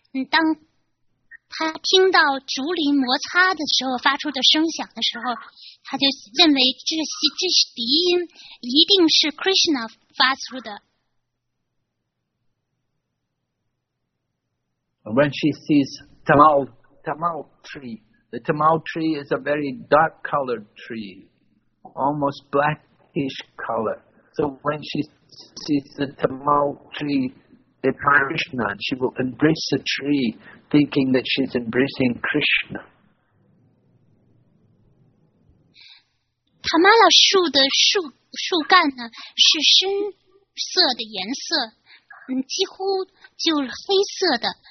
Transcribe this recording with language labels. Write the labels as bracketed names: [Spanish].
[Chinese] 当他听到竹林摩擦的时候发出的声响的时候，他就认为这些笛音一定是 Krishna 发出的。 [English] When she sees tamal tree, the tamal tree is a very dark colored tree, almost black pinkish color. So when she sees the tamal tree, the Krishna, she will embrace the tree, thinking that she's embracing Krishna. [Chinese] 塔玛拉树的树干呢是深色的颜色，几乎就是黑色的。